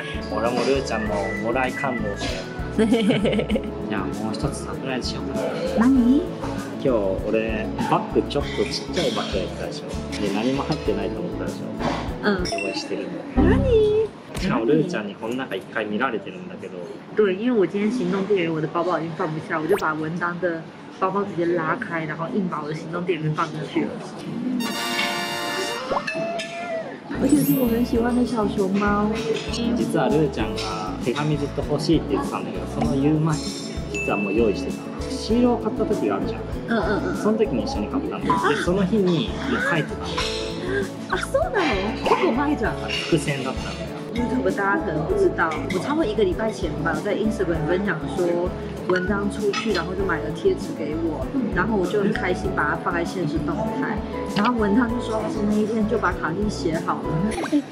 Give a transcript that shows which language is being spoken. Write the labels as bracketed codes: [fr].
[ja] 俺もルーちゃんももらい感動して。じゃあもう一つサプライズしようかな。何？今日俺バッグちょっとちっちゃいバッグやったでしょ。で何も入ってないと思ったでしょ。うん。用意してるの。何？じゃあルーちゃんにこの中一回見られてるんだけど。 [zh] 对，因为我今天行动电源，我的包包已经放不下，我就把文章的包包直接拉开，然后硬把我的行动电源放进去了。而且是我很喜欢的小熊猫。 [ja] 実はルーちゃんが手紙ずっと欲しいって言ってたんだけど、その言う前に実はもう用意してた。シールを買った時があるじゃん。うんうんうん。その時に一緒に買ったんだ。でその日に書いてた。あ、そうなの？結構前じゃん。伏線だったんだ。 [zh] YouTube 大家可能不知道，我差不多一个礼拜前吧，在 Instagram 分享说文章出去，然后就买了贴纸给我，然后我就很开心把它放在现实动态，然后文章就说老师那一天就把卡片写好了，